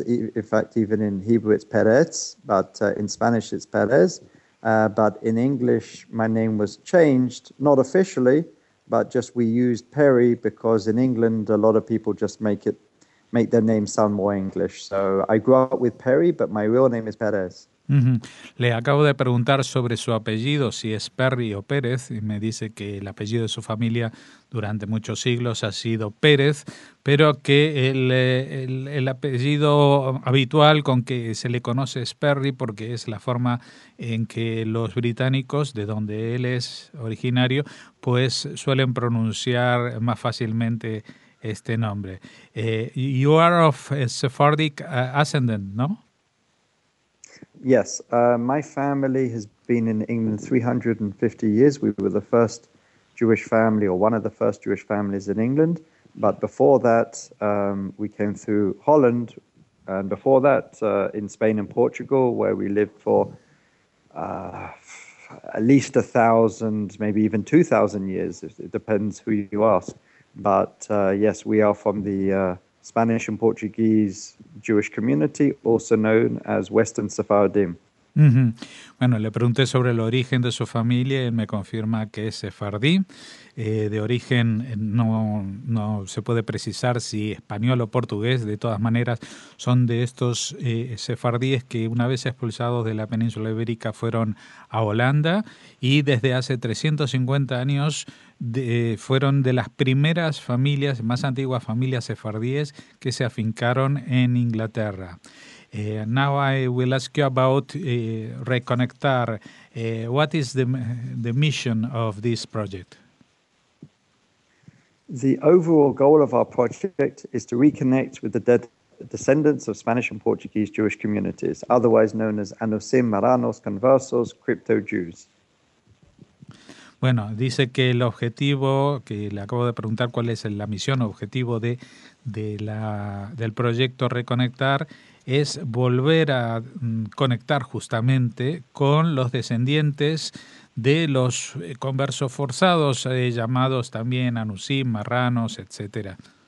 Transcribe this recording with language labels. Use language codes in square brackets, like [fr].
[en] In fact, even in Hebrew, it's Pérez, but in Spanish, it's Pérez. But in English, my name was changed, not officially, but just we used Perry because in England, a lot of people just make their name sound more English. So I grew up with Perry, but my real name is Pérez. Mm-hmm. [es] Le acabo de preguntar sobre su apellido, si es Perry o Pérez, y me dice que el apellido de su familia durante muchos siglos ha sido Pérez, pero que el apellido habitual con que se le conoce es Perry porque es la forma en que los británicos, de donde él es originario, pues suelen pronunciar más fácilmente este nombre. [en] You are of Sephardic ascendant, ¿no? Yes, my family has been in England 350 years. We were the first Jewish family, or one of the first Jewish families in England. But before that, we came through Holland, and before that, in Spain and Portugal, where we lived for at least 1,000, maybe even 2,000 years. It depends who you ask. But yes, we are from the Spanish and Portuguese Jewish community, also known as Western Sephardim. Mm-hmm. [es] Bueno, le pregunté sobre el origen de su familia y me confirma que es sefardí. De origen no se puede precisar si español o portugués. De todas maneras, son de estos sefardíes que una vez expulsados de la península ibérica fueron a Holanda y desde hace 350 años fueron de las primeras familias, más antiguas familias sefardíes que se afincaron en Inglaterra. [en] Now I will ask you about Reconectar. What is the mission of this project? The overall goal of our project is to reconnect with the dead descendants of Spanish and Portuguese Jewish communities, otherwise known as Anosim, Maranos, Conversos, Crypto-Jews. [es] Bueno, dice que el objetivo, que le acabo de preguntar cuál es la misión o objetivo del proyecto Reconectar, es volver a conectar justamente con los descendientes de los conversos forzados, llamados también Anusim, Marranos, etc.